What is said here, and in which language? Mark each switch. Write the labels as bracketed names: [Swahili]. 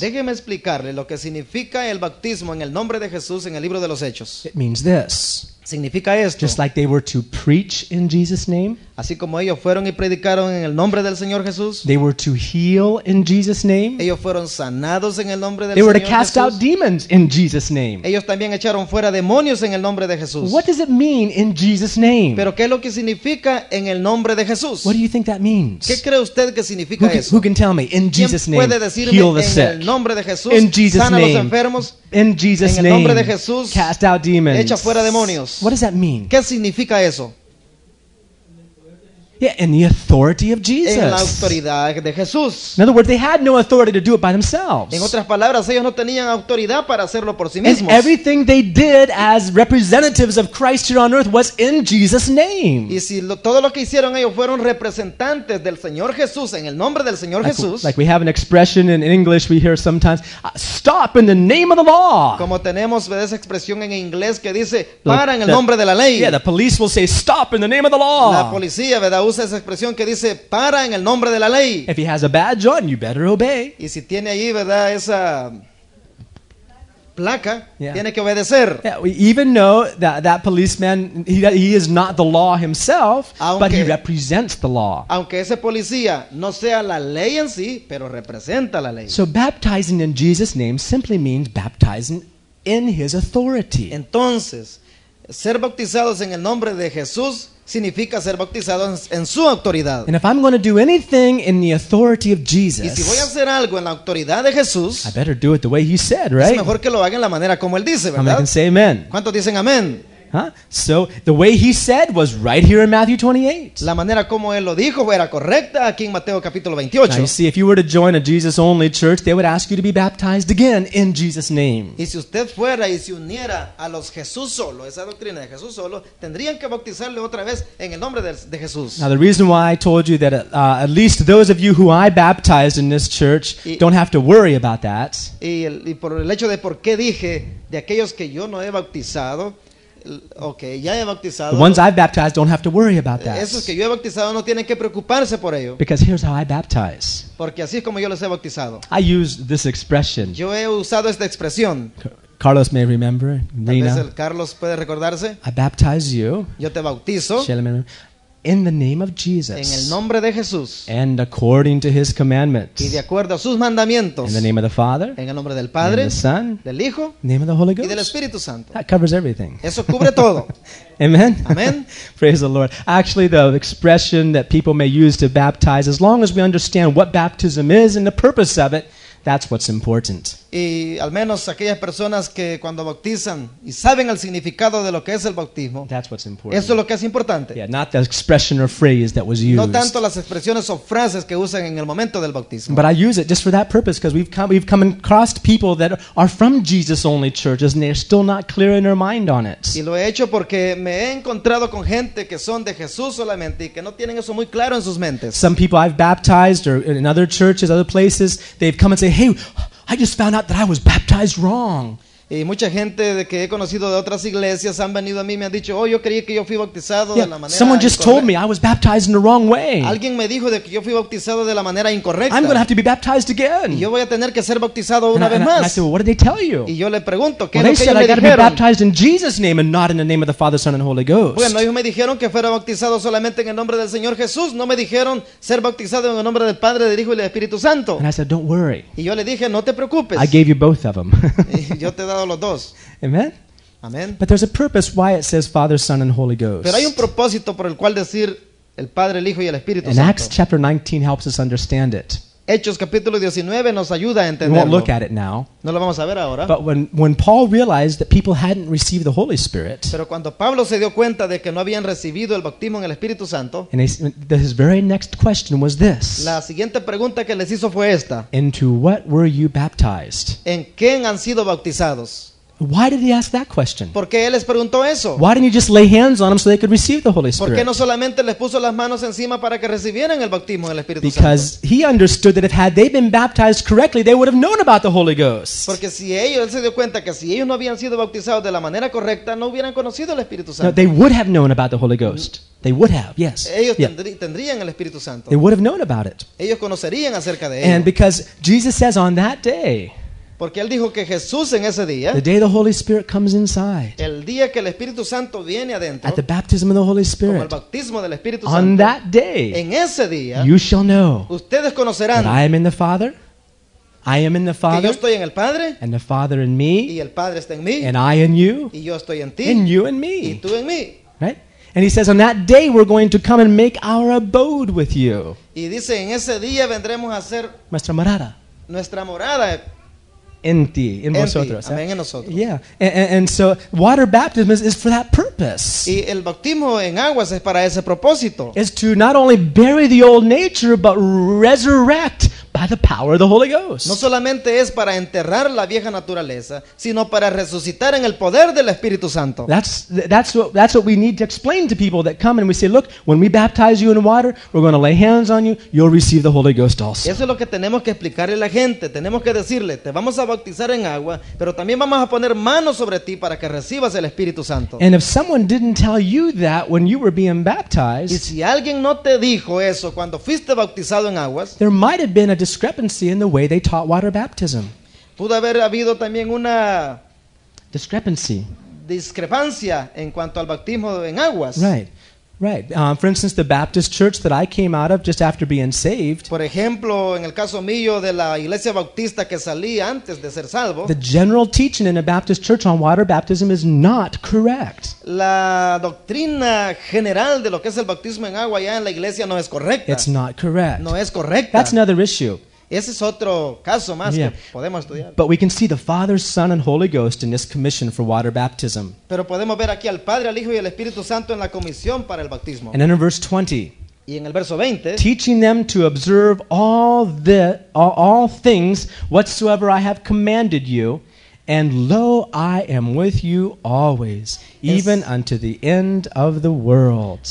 [Spanish] Déjeme explicarle lo que significa el bautismo en el nombre de Jesús en el libro de los Hechos. [English] It means this. [Spanish] Significa esto. [English] Just like they were to preach in Jesus' name. [Spanish] Así como ellos fueron y predicaron en el nombre del Señor Jesús. [English] They were to heal in Jesus' name. [Spanish] Ellos fueron sanados en el nombre del [English] they [Spanish] Señor [English] were to cast [Spanish] Jesús. [English] Out demons in Jesus' name. [Spanish] Ellos también echaron fuera demonios en el nombre de Jesús. [English] What does it mean in Jesus' name? [Spanish] Pero ¿qué es lo que significa en el nombre de Jesús? [English] What do you think that means? [Spanish] ¿Qué cree usted que significa [English] who can, [Spanish] eso? [English] Who can tell me? In Jesus' name, [Spanish] puede decirme, [English] heal the [Spanish] en [English] sick. [Spanish] En el nombre de Jesús, [English] in Jesus [Spanish] sana [English] name. [Spanish] Los enfermos. [English] In Jesus' [Spanish] en el nombre [English] name, [Spanish] de Jesús, [English] cast out demons. [Spanish] Echa fuera demonios. [English] What does that mean? [Spanish] ¿Qué significa eso? [English] Yeah, in the authority of Jesus. [Spanish] En la autoridad de Jesús. [English] In other words, they had no authority to do it by themselves. [Spanish] En otras palabras, ellos no tenían autoridad para hacerlo por sí mismos. [English] And everything they did as representatives of Christ here on earth was in Jesus' name. [Spanish] Y si todo lo que hicieron ellos fueron representantes del Señor Jesús en el nombre del Señor Jesús. [English] Like we have an expression in English we hear sometimes, stop in the name of the law. [Spanish] Como tenemos esa expresión en inglés que dice, para en el nombre de la ley. [English] Yeah, the police will say, stop in the name of the law. [Spanish] La policía, ¿verdad? Usa esa expresión que dice para en el nombre de la ley. [English] If he has a badge on, you better obey. [Spanish] Y si tiene ahí, ¿verdad? Esa placa, yeah. Tiene que obedecer. [English] Yeah, we even know that policeman, he is not the law himself, [Spanish] aunque, [English] but he represents the law. [Spanish] Aunque ese policía no sea la ley en sí, pero representa la ley. [English] So baptizing in Jesus' name simply means baptizing in his authority. [Spanish] Entonces, ser bautizados en el nombre de Jesús significa ser bautizado en su autoridad. [English] And if I'm going to do anything in the authority of Jesus, [Spanish] y si voy a hacer algo en la autoridad de Jesús, [English] I better do it the way he said, right? [Spanish] Es mejor que lo haga en la manera como él dice, ¿verdad? [English] How many can say amen? [Spanish] ¿Cuántos dicen amén? Huh? [English] So the way he said was right here in Matthew 28. [Spanish] La manera como él lo dijo era correcta aquí en Mateo capítulo 28. [English] Now you see, if you were to join a Jesus-only church, they would ask you to be baptized again in Jesus' name. [Spanish] Y si usted fuera y se uniera a los Jesús solo, esa doctrina de Jesús solo, tendrían que bautizarle otra vez en el nombre de Jesús. [English] Now the reason why I told you that at least those of you who I baptized in this church don't have to worry about that. [Spanish] Y por el hecho de por qué dije de aquellos que yo no he bautizado. Okay, ya he bautizado. [English] The ones I've baptized don't have to worry about that. [Spanish] Esos que yo he bautizado no tienen que preocuparse por ello. [English] Because here's how I baptize. [Spanish] Porque así es como yo los he bautizado. [English] I use this expression. [Spanish] Yo he usado esta expresión. [English] Carlos may remember. Nina. [Spanish] Tal vez el Carlos puede recordarse. [English] I baptize you. [Spanish] Yo te bautizo. [English] In the name of Jesus. [Spanish] En el nombre de Jesús. [English] And according to his commandments. [Spanish] Y de acuerdo a sus mandamientos. [English] In the name of the Father. [Spanish] En el nombre del Padre. [English] And the Son. [Spanish] Del Hijo. [English] Name of the Holy Ghost. [Spanish] Y del Espíritu Santo. [English] That covers everything. [Spanish] Eso cubre todo. Amen. Amen. [English] Praise the Lord. Actually, the expression that people may use to baptize, as long as we understand what baptism is and the purpose of it, that's what's important. [Spanish] Y al menos aquellas personas que cuando bautizan y saben el significado de lo que es el bautismo. [English] That's what's important. [Spanish] Eso es lo que es importante. [English] Yeah, not the expression or phrase that was used. [Spanish] No tanto las expresiones o frases que usan en el momento del bautismo. [English] But I use it just for that purpose because we've come across people that are from Jesus only churches and they're still not clear in their mind on it. [Spanish] Y lo he hecho porque me he encontrado con gente que son de Jesús solamente y que no tienen eso muy claro en sus mentes. [English] Some people I've baptized or in other churches, other places, they've come and say, "Hey, I just found out that I was baptized wrong." [Spanish] Y mucha gente de que he conocido de otras iglesias han venido a mí y me han dicho, "Oh, yo creí que yo fui bautizado de la manera incorrecta." [English] Someone just told me I was baptized in the wrong way. [Spanish] Alguien me dijo de que yo fui bautizado de la manera incorrecta. [English] I'm going to have to be baptized again. [Spanish] Y yo voy a tener que ser bautizado una vez más. [English] And I said, "Well, what did they tell you?" [Spanish] Y yo le pregunto, ¿qué es lo que ellos me dijeron? [English] I got to be baptized in Jesus' name and not in the name of the Father, Son, and Holy Ghost. [Spanish] Bueno, ellos me dijeron que fuera bautizado solamente en el nombre del Señor Jesús, no me dijeron ser bautizado en el nombre del Padre, del Hijo y del Espíritu Santo. [English] And I said, "Don't worry." [Spanish] Y yo le dije, "No te preocupes." [English] I gave you both of them. [Spanish] Yo te Amen. Amen. [English] But there's a purpose why it says Father, Son, and Holy Ghost. [Spanish] Pero hay un propósito por el cual decir el Padre, el Hijo y el Espíritu [English] and [Spanish] Santo. [English] And Acts chapter 19 helps us understand it. [Spanish] Hechos capítulo 19 nos ayuda a entenderlo. [English] We won't look at it now. [Spanish] No lo vamos a ver ahora. [English] But when Paul realized that people hadn't received the Holy Spirit. [Spanish] Pero cuando Pablo se dio cuenta de que no habían recibido el bautismo en el Espíritu Santo. [English] And his very next question was this. [Spanish] La siguiente pregunta que les hizo fue esta. [English] Into what were you baptized? [Spanish] ¿En quién han sido bautizados? [English] Why did he ask that question? [Spanish] ¿Por qué él les preguntó eso? [English] Why didn't he just lay hands on them so they could receive the Holy Spirit? [Spanish] ¿Por qué no solamente les puso las manos encima para que recibieran el bautismo del Espíritu Santo? [English] Because he understood that if had they been baptized correctly, they would have known about the Holy Ghost. [Spanish] Porque si ellos, él se dio cuenta que si ellos no habían sido bautizados de la manera correcta, no hubieran conocido el Espíritu Santo. [English] No, they would have known about the Holy Ghost. They would have, yes. [Spanish] Ellos tendrían el Espíritu Santo. [English] They would have known about it. [Spanish] Ellos conocerían acerca de él. [English] And because Jesus says on that day, [Spanish] porque él dijo que Jesús en ese día, [English] the day the Holy Spirit comes inside, [Spanish] el día que el Espíritu Santo viene adentro, [English] at the baptism of the Holy Spirit, [Spanish] como el bautismo del Espíritu [English] on [Spanish] Santo, [English] that day, [Spanish] en ese día, [English] you shall know, [Spanish] ustedes conocerán, [English] that I am in the Father, I am in the Father, [Spanish] que yo estoy en el Padre, [English] and the Father in me, [Spanish] y el Padre está en mí, [English] and I in you, [Spanish] y yo estoy en ti, [English] and you in me, [Spanish] y tú en mí. [English] Right? And he says, on that day we're going to come and make our abode with you. [Spanish] Y dice, en ese día vendremos a hacer nuestra morada. Nuestra morada. En ti, en vosotros. Amén, en nosotros. [English] Yeah, and so water baptism is for that purpose. [Spanish] Y el bautismo en aguas es para ese propósito. [English] Is to not only bury the old nature, but resurrect by the power of the Holy Ghost. [Spanish] No solamente es para enterrar la vieja naturaleza, sino para resucitar en el poder del Espíritu Santo. [English] That's what we need to explain to people that come and we say, look, when we baptize you in water, we're going to lay hands on you, you'll receive the Holy Ghost also. [Spanish] Eso es lo que tenemos que explicarle a la gente. Tenemos que decirle, te vamos a bautizar en agua, pero también vamos a poner manos sobre ti para que recibas el Espíritu Santo. [English] And if someone didn't tell you that when you were being baptized, [Spanish] y si alguien no te dijo eso cuando fuiste bautizado en aguas, [English] there might have been a discrepancy in the way they taught water baptism. [Spanish] Pudo haber habido también una [English] discrepancy. [Spanish] Discrepancia en cuanto al bautismo en aguas. [English] Right. Right. For instance, the Baptist church that I came out of just after being saved. [Spanish] Por ejemplo, en el caso mío de la iglesia bautista que salí antes de ser salvo. [English] The general teaching in a Baptist church on water baptism is not correct. [Spanish] La doctrina general de lo que es el bautismo en agua ya en la iglesia no es correcta. [English] It's not correct. [Spanish] No es correcta. [English] That's another issue. [Spanish] Ese es otro caso más que podemos estudiar. [English] But we can see the Father, Son, and Holy Ghost in this commission for water baptism. [Spanish] Pero podemos ver aquí al Padre, al Hijo y al Espíritu Santo en la comisión para el bautismo. [English] And then in verse 20. [Spanish] Y en el verso 20. [English] Teaching them to observe all things whatsoever I have commanded you, and lo, I am with you always, even unto the end of the world.